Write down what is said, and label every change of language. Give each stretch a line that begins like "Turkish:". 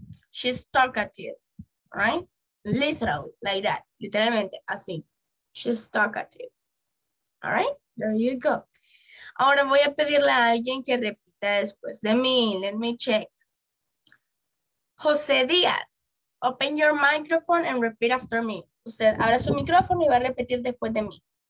English: She's talkative, right? Literally, like that.
Spanish: Literalmente, así.
English: She's talkative. All right? There you go.
Spanish: Ahora voy a pedirle a alguien que repita después de mí.
English: Let me check. José Díaz, open your microphone and repeat after me.
Spanish: Usted abra su micrófono y va a repetir después de mí.